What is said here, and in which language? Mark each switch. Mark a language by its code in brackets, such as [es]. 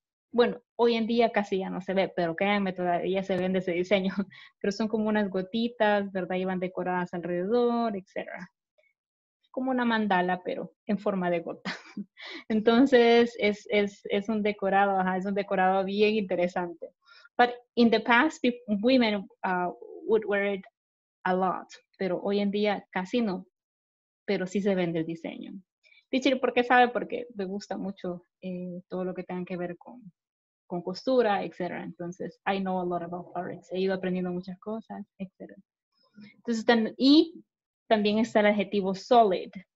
[es] Bueno, hoy en día casi ya no se ve, pero créanme, todavía se vende ese diseño. Pero son como unas gotitas, ¿verdad? Y van decoradas alrededor, etc. Como una mandala, pero en forma de gota. Entonces, es un decorado, ajá, es un decorado bien interesante. [en] But in the past, women would wear it a lot. [es] Pero hoy en día casi no, pero sí se vende el diseño. Teacher, ¿por qué sabe? Porque me gusta mucho todo lo que tenga que ver con costura, etc. Entonces, [en] I know a lot about fabrics. [es] He ido aprendiendo muchas cosas, etc. Entonces, y también está el adjetivo solid.